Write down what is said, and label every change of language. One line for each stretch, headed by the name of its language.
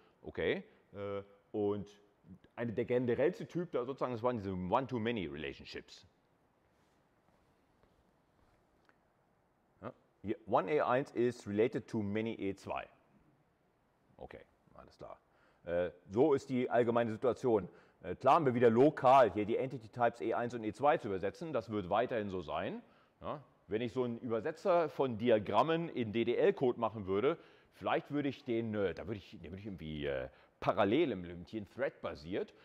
German: Okay, und der generellste Typ, da sozusagen, das waren diese One-to-Many-Relationships.
English: Yeah. One E1 is related to many E2.
German: Okay, alles klar. So ist die allgemeine Situation. Klar haben wir wieder lokal hier die Entity Types E1 und E2 zu übersetzen. Das wird weiterhin so sein. Ja, wenn ich so einen Übersetzer von Diagrammen in DDL-Code machen würde, vielleicht würde ich den würde ich irgendwie parallel implementieren, thread-basiert.